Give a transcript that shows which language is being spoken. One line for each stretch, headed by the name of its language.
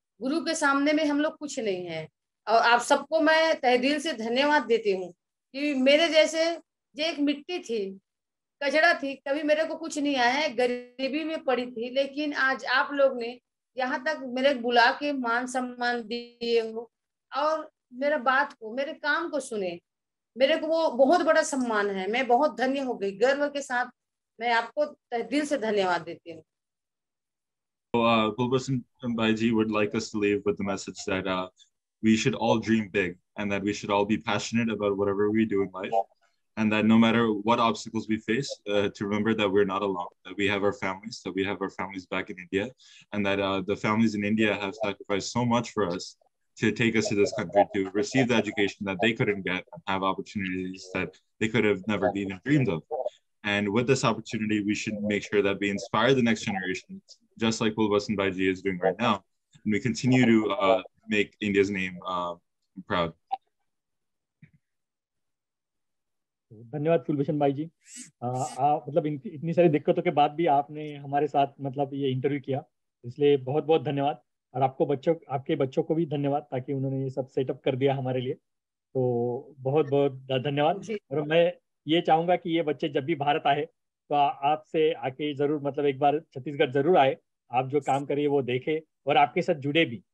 Hindi: गुरु के सामने में हम लोग कुछ नहीं है. और आप सबको मैं तहे दिल से धन्यवाद देती हूँ कि मेरे जैसे जो एक मिट्टी थी, कचड़ा थी, कभी मेरे को कुछ नहीं आया, गरीबी में पड़ी थी, लेकिन आज आप लोग ने यहाँ तक मेरे बुला के मान सम्मान दिए हो, और मेरा बात को, मेरे काम को सुने, मेरे को वो बहुत बड़ा सम्मान है. मैं बहुत धन्य हो गई. गर्व के साथ मैं आपको तहे दिल से धन्यवाद देती हूँ.
English: We should all dream big, and that we should all be passionate about whatever we do in life, and that no matter what obstacles we face, to remember that we're not alone, that we have our families, that we have our families back in India, and that the families in India have sacrificed so much for us to take us to this country, to receive the education that they couldn't get, and have opportunities that they could have never even dreamed of. And with this opportunity, we should make sure that we inspire the next generation, just like Gulbasan Baiji is doing right now, and we continue to make India's name proud.
Hindi: धन्यवाद कुलभूषण भाई जी. आप मतलब इतनी सारी दिक्कतों के बाद भी आपने हमारे साथ मतलब ये इंटरव्यू किया, इसलिए बहुत बहुत धन्यवाद. और आपको बच्चों, आपके बच्चों को भी धन्यवाद, ताकि उन्होंने ये सब सेटअप कर दिया हमारे लिए. तो बहुत बहुत धन्यवाद. और मैं ये चाहूंगा कि ये बच्चे जब भी भारत आए तो आपसे आके जरूर, मतलब एक बार छत्तीसगढ़ जरूर आए, आप जो काम करिए वो देखे और आपके साथ जुड़े भी.